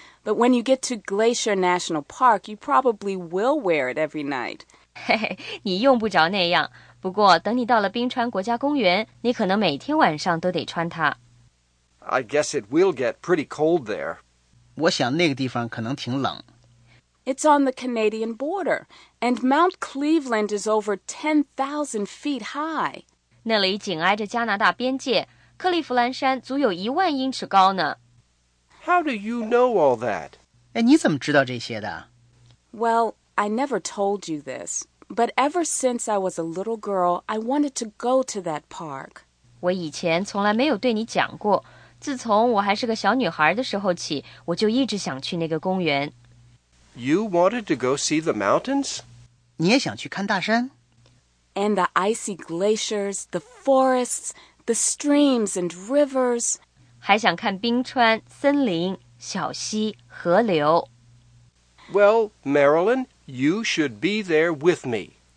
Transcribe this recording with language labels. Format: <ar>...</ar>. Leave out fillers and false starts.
<en>But when you get to Glacier National Park, you probably will wear it every night.</en> <zh>你用不着那样，不过等你到了冰川国家公园，你可能每天晚上都得穿它。</zh> <en>I guess it will get pretty cold there.</en> <zh>我想那个地方可能挺冷。</zh> <en>It's on the Canadian border, and Mount Cleveland is over 10,000 feet high.</en> <zh>那里紧挨着加拿大边界，克利夫兰山足有10,000英尺高呢。</zh> <en>How do you know all that?</en> <zh>哎，你怎么知道这些的？</zh> <en>Well, I never told you this, but ever since I was a little girl, I wanted to go to that park.</en> <zh>我以前从来没有对你讲过。自从我还是个小女孩的时候起，我就一直想去那个公园。</zh> <en>You wanted to go see the mountains?</en> <zh>你也想去看大山？</zh> <en>And the icy glaciers, the forests, the streams and rivers.</en> <zh>还想看冰川、森林、小溪、河流。</zh> <en>Well, Marilyn, you should be there with me.</en>